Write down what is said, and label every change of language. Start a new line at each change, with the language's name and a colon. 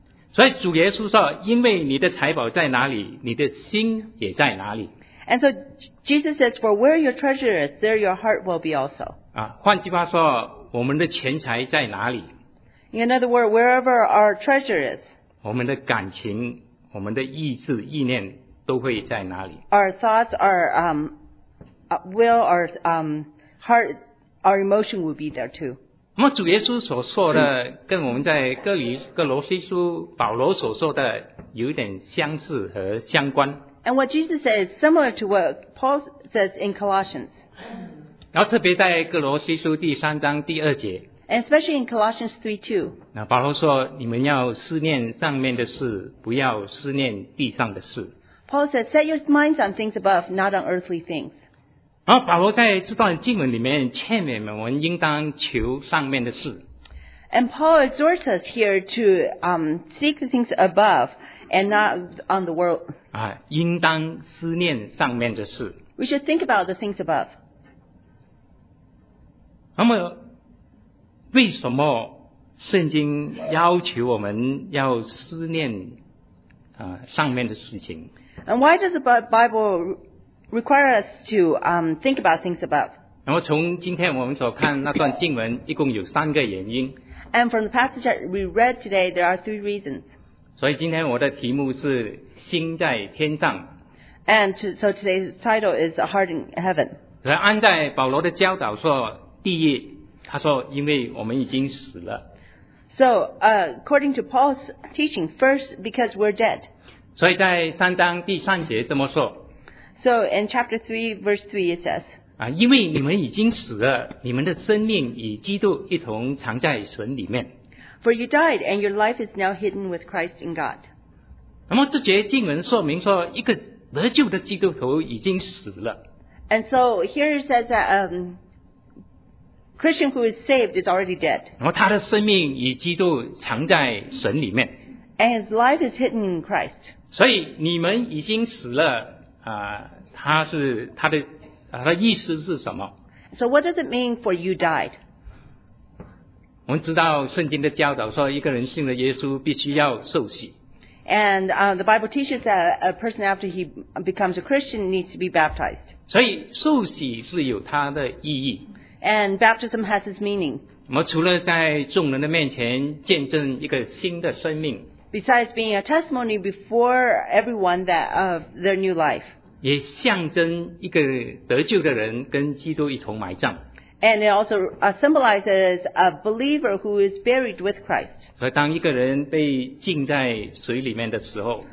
Chinese: 所以主耶稣说，因为你的财宝在哪里，你的心也在哪里。
English: And so Jesus says, for where your treasure is, there your heart will be also.
Chinese: 换句话说，我们的钱财在哪里？
English: In other words, wherever our treasure is,
Chinese: 我们的感情、我们的意志、意念都会在哪里？
English: Our thoughts, our will, our heart, our emotion will be there too.
Chinese: 那么主耶稣所说的，跟我们在哥罗西书保罗所说的有点相似和相关。
English: And what Jesus says is similar to what Paul says in Colossians.
Chinese: 然后特别在哥罗西书第三章第二节。
English: And especially in Colossians 3:2.
Chinese: 那保罗说，你们要思念上面的事，不要思念地上的事。
English: Paul says, set your minds on things above, not on earthly things.
Chinese: 然后保罗在这段经文里面劝勉我们应当求上面的事。
English: And Paul exhorts us here to seek the things above and not on the world.
Chinese: 应当思念上面的事。
English: We should think about the things above.
Chinese: 那么为什么圣经要求我们要思念上面的事情？
English: And why does the Bible require us to think about things above?
Chinese: 那么从今天我们所看那段经文一共有三个原因。
English: And from the passage that we read today, there are three reasons.
Chinese: 所以今天我的题目是心在天上。
English: And so today's title is A Heart in Heaven.
Chinese: 所以按在保罗的教导说，第一，他说因为我们已经死了。
English: So according to Paul's teaching, first because we're dead.
Chinese: 所以在三章第三节这么说。
English: So in chapter 3, verse 3 it says,
Chinese: 因为你们已经死了，你们的生命与基督一同藏在神里面。
English: For you died, and your life is now hidden with Christ in God.
Chinese: 那么这节经文说明说，一个得救的基督徒已经死了。
English: And so here it says that Christian who is saved is already dead.
Chinese: 那么他的生命与基督藏在神里面。
English: And his life is hidden in Christ.
Chinese: 所以你们已经死了，他的意思是什么？
English: So what does it mean for you died?
Chinese: 我们知道圣经的教导说，一个人信了耶稣必须要受洗。
English: And the Bible teaches that a person after he becomes a Christian needs to be baptized.
Chinese: 所以受洗是有它的意义。
English: And baptism has its meaning.
Chinese: 我们除了在众人的面前见证一个新的生命。
English: Besides being a testimony before everyone that of their new life.
Chinese: 也象征一个得救的人跟基督一同埋葬。
English: And it also symbolizes a believer who is buried with Christ.
Chinese: 所以当一个人被浸在水里面的时候，